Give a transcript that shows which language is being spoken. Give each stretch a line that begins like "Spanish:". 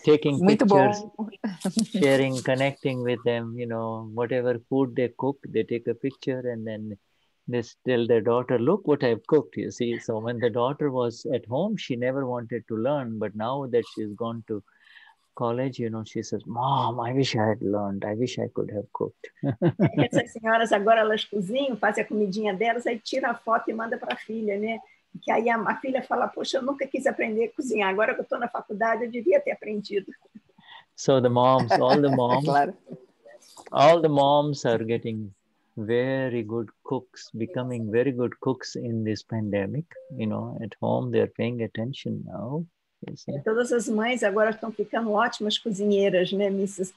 English: Taking pictures, sharing, connecting with them, you know, whatever food they cook, they take a picture and then they tell their daughter, look what I've cooked, you see. So when the daughter was at home, she never wanted to learn. But now that she's gone to college, you know, she says, Mom, I wish I had learned. I wish I could have cooked.
Portuguese: Essas senhoras agora, elas cozinham, fazem a comidinha delas, aí tira a foto e manda para a filha, né? Que aí a filha fala, poxa, eu nunca quis aprender a cozinhar. Agora que eu estou na faculdade, eu devia ter aprendido.
English: So the moms, all the moms,
Portuguese: claro.
English: All the moms are getting... very good cooks, becoming very good cooks in this pandemic. You know, at home they are paying attention now.
Portuguese: Todas as mães agora estão ficando ótimas cozinheiras, né, Mrs.